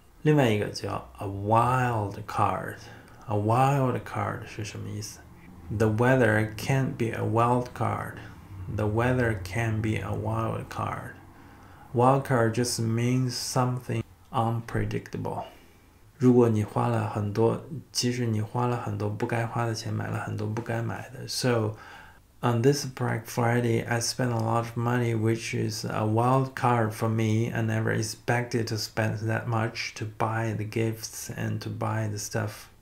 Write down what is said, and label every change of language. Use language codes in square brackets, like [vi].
[zh] 另外一个叫 a wild card， a wild card 是什么意思？ [en] The weather can't be a wild card， the weather can't be a wild card， wild card just means something unpredictable。 [zh] 如果你花了很多，其实你花了很多不该花的钱，买了很多不该买的。 [en] So on this Black Friday, I spent a lot of money, which is a wild card for me. I never expected to spend that much to buy the gifts and to buy the stuff.